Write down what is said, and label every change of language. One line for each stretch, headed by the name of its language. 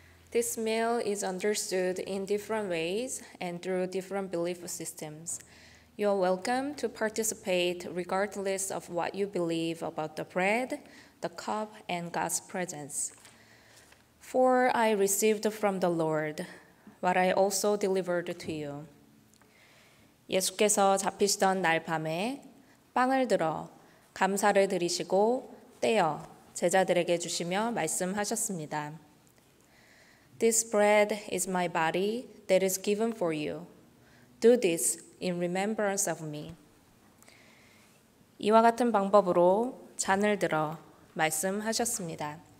English: This meal is understood in different ways and through different belief systems. You're welcome to participate regardless of what you believe about the bread, the cup, and God's presence. For I received from the Lord what I also delivered to you.
Korean: 예수께서 잡히시던 날 밤에 빵을 들어 감사를 드리시고 떼어 제자들에게 주시며 말씀하셨습니다.
English: This bread is my body that is given for you. Do this in remembrance of me.
Korean: 이와 같은 방법으로 잔을 들어 말씀하셨습니다.